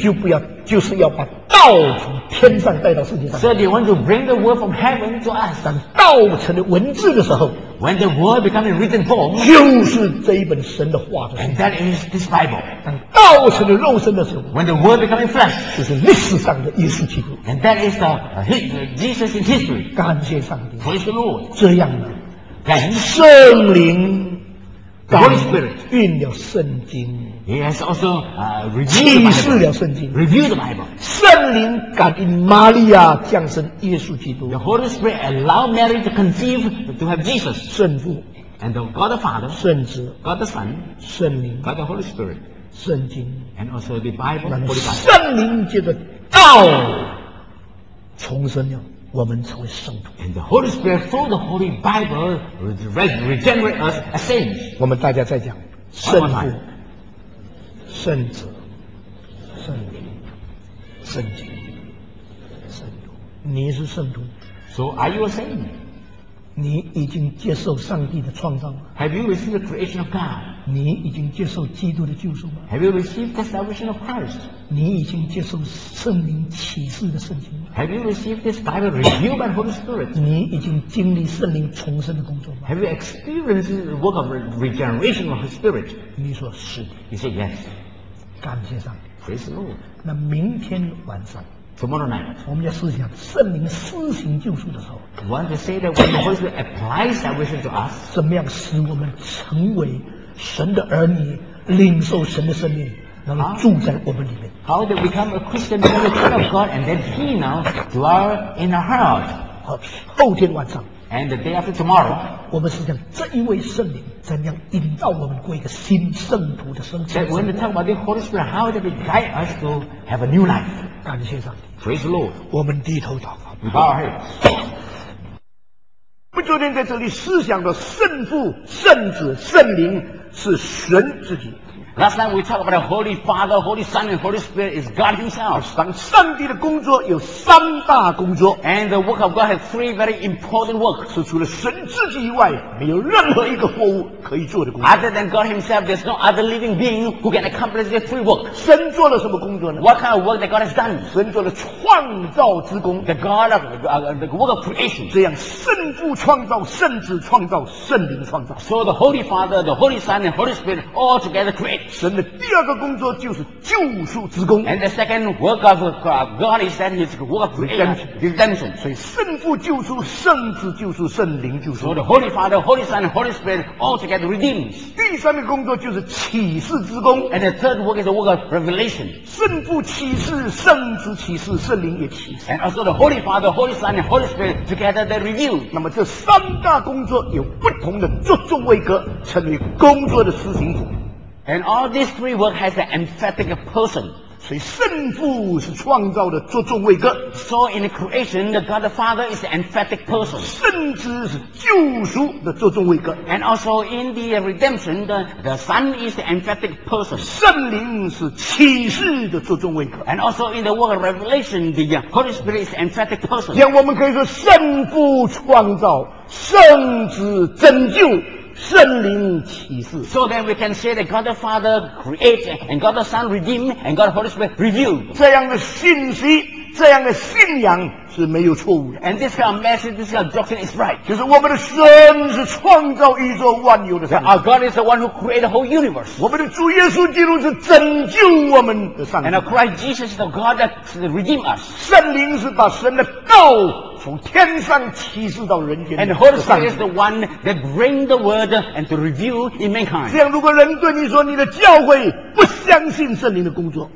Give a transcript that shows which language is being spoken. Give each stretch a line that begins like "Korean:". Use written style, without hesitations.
Chinese: 就不要就是要把道从天上带到世界上。
English: So they want to bring the word from heaven to us.
Chinese: 当道成了文字的时候。
English: When the word becomes a written form.
Chinese: 就是这一本神的话的。
English: And that is this Bible.
Chinese: 当道成了肉身的时候。
English: When the word becomes flesh.
Chinese: 就是历史上的耶稣基督。
English: And that is the Jesus in history.
Chinese: 感谢上帝。
English: Praise the Lord.
Chinese: 这样呢。感谢圣灵。
English: The Holy Spirit
Chinese: 印了圣经
English: He has also revealed the Bible
Chinese: 启示了圣经
English: Revealed the Bible
Chinese: 圣灵感应玛利亚降生耶稣基督
English: The Holy Spirit allowed Mary to conceive to have Jesus
Chinese: 圣父
English: And the God the Father
Chinese: 圣子
English: God the Son
Chinese: 圣灵
English: God the Holy Spirit
Chinese: 圣经
English: And also the Bible
Chinese: 然后圣灵借着道重生了我们成为圣徒
English: And the Holy Spirit through the Holy Bible regenerate us as saints
Chinese: 我们大家再讲圣父圣子圣灵圣经圣徒你是圣徒
English: So are you a saint?
Chinese: 你已经接受上帝的创造吗
English: Have you received the creation of God?
Chinese: 你已经接受基督的救赎吗
English: Have you received the salvation of Christ?
Chinese: 你已经接受圣灵启示的圣经吗
English: Have you received this Bible revealed by the Holy Spirit?
Chinese: 你已经经历圣灵重生的工作吗
English: Have you experienced the work of regeneration of the Spirit?
Chinese: 你说是的
English: You say yes
Chinese: 感谢上帝
English: Praise the Lord
Chinese: 那明天晚上
English: Tomorrow night,
Chinese: 我们要思想圣灵施行救赎的时候
English: Want to say that when the Holy Spirit applies salvation to us
Chinese: 怎么样使我们成为神的儿女领受神的生命然后住在我们里面
English: How to become a Christian man, a child of God and then he now dwell in our heart
Chinese: 后天晚上
English: And the day after tomorrow
Chinese: 我们思想这一位圣灵怎样引导我们过一个新圣徒的生活
English: When we talk about the Holy Spirit How to guide us to have a new life
Chinese: 感谢上帝
English: Praise the Lord
Chinese: 我们低头祷告
English: We bow our heads
Chinese: 我们昨天在这里思想的圣父圣子圣灵是神自己
English: Last time we talked about the Holy Father Holy Son and Holy Spirit is God himself
Chinese: 当上帝的工作有三大工作
English: And the work of God has three very important works
Chinese: 是除了神自己以外没有任何一个活物可以做的工作
English: Other than God himself There's no other living being Who can accomplish the three work
Chinese: 神做了什么工作呢
English: What kind of work that God has done
Chinese: 神做了创造之工
English: The God of the work of creation
Chinese: 这样圣父创造圣子创造圣灵创造
English: So the Holy Father The Holy Son And Holy Spirit All together create
Chinese: 神的第二个工作就是救赎之工
English: And the second work of God Is that his work of creation Redemption
Chinese: 所以圣父救赎圣子救赎圣灵救赎
English: So the Holy Father Holy Son And Holy Spirit All together redeems
Chinese: 第三个工作就是启示之工
English: and the third work is the work of revelation
Chinese: 圣父启示圣子启示圣灵也启示
English: and also the Holy Father Holy Son and Holy Spirit together they reveal
Chinese: 那么这三大工作有不同的着重位格成为工作的施行者
English: and all these three work has an emphatic person
Chinese: 所以圣父是创造的着重位格
English: so in the creation the God the Father is the emphatic person
Chinese: 圣子是救赎的着重位格
English: and also in the redemption the Son is the emphatic person
Chinese: 圣灵是启示的着重位格
English: and also in the work of revelation the Holy Spirit is the emphatic person
Chinese: 我们可以说圣父创造圣子拯救圣灵启示
English: So then we can say that God the Father create and God the Son redeem and God the Holy Spirit reveal
Chinese: 这样的信息这样的信仰是没有错误的
English: And this kind of message this kind of doctrine is right
Chinese: 就是我们的神是创造宇宙万有的上帝
English: Our God is the one who created the whole universe
Chinese: 我们的主耶稣基督是拯救我们的上帝
English: And our Christ Jesus is the God that redeem us
Chinese: 圣灵是把神的道从天上启示到人间
English: And the Holy Spirit is the one that bring the word and to reveal in mankind
Chinese: 这样如果人对你说你的教会不相信圣灵的工作